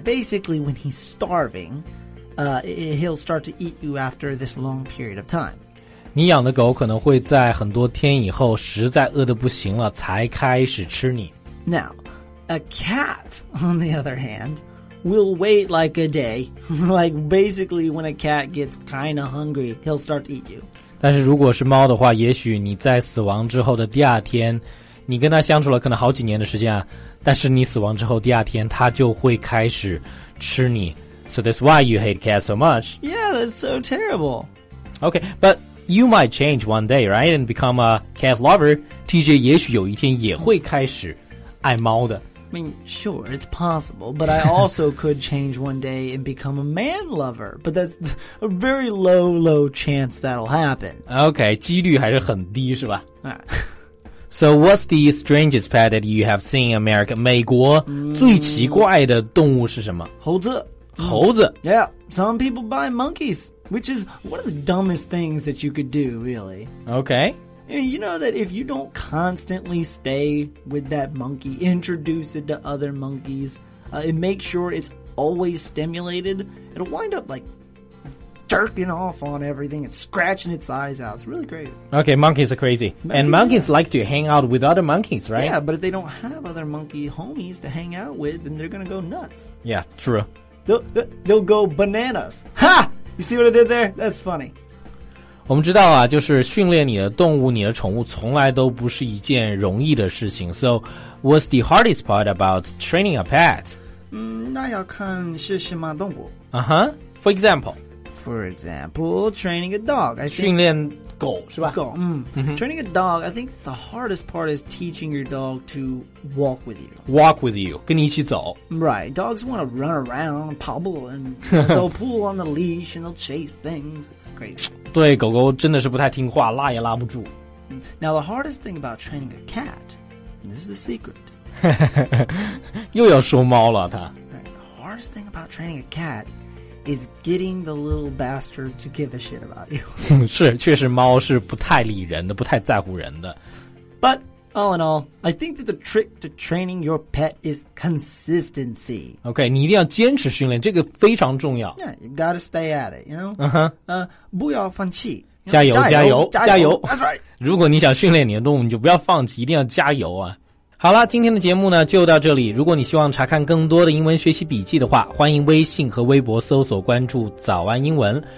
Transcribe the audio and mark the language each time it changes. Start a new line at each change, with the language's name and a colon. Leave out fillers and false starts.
English: Basically, when he's starving,he'll start to eat you after this long period of time.
Chinese: 你养的狗可能会在很多天以后实在饿得不行了才开始吃你。
English: Now, a cat, on the other hand, will wait like a day. Like, basically, when a cat gets kind of hungry, he'll start to eat you.
Chinese: 但是如果是猫的话，也许你在死亡之后的第二天，你跟它相处了可能好几年的时间啊，但是你死亡之后第二天，它就会开始吃你。
English: So that's why you hate cats so much. Yeah, that's so terrible. Okay, but you might change one day, right? And become a cat lover.
Chinese: TJ 也许有一天也会开始爱猫的。
English: I mean, sure, it's possible, but I also could change one day and become a man lover. But that's a very low, low chance that'll happen.
Chinese: Okay, 几率还是很低是吧？
English: So what's the strangest pet that you have seen in America?
Chinese: 美国最奇怪的动物是什么？猴子。猴子。
English: Yeah, some people buy monkeys, which is one of the dumbest things that you could do, really. Okay. And you know that if you don't constantly stay with that monkey, introduce it to other monkeys, and make sure it's always stimulated, it'll wind up, like, jerking off on everything and scratching its eyes out. It's really crazy. Okay, monkeys are crazy. Monkeys like to hang out with other monkeys, right? Yeah, but if they don't have other monkey homies to hang out with, then they're gonna go nuts. Yeah, true. They'll go bananas. Ha! You see what I did there? That's funny.
Chinese: 我们知道啊，就是训练你的动物，你的宠物从来都不是一件容易的事情。
English: So, what's the hardest part about training a pet?
Chinese: 那要看是什么动物。 Uh-huh.
English: For example, training a dog. I think,
Chinese: 训练狗是吧？
English: 狗，Training a dog, I think the hardest part is teaching your dog to walk with you. Walk with you,
Chinese: 跟你一起走。
English: Right, dogs want to run around, pobble, and they'll pull on the leash and they'll chase things. It's crazy.
Chinese: 对，狗狗真的是不太听话，拉也拉不住。
English: Now, the hardest thing about training a cat, and this is the secret.
Chinese: 又要说猫了他。
English: The hardest thing about training a cat... is getting the little bastard to give a shit about you.
Chinese: 是，确实猫是不太理人的，不太在乎人的。
English: But all in all, I think that the trick to training your pet is consistency.
Chinese: Okay, 你一定要坚持训练，这个非常重要。
English: Yeah, you've got to stay at it, you know? Uh-huh.
Chinese: 不要放弃。加油，加油，加油。
English: That's right.
Chinese: 如果你想训练你的动物，你就不要放弃，一定要加油啊。好了，今天的节目呢就到这里。如果你希望查看更多的英文学习笔记的话，欢迎微信和微博搜索关注早安英文。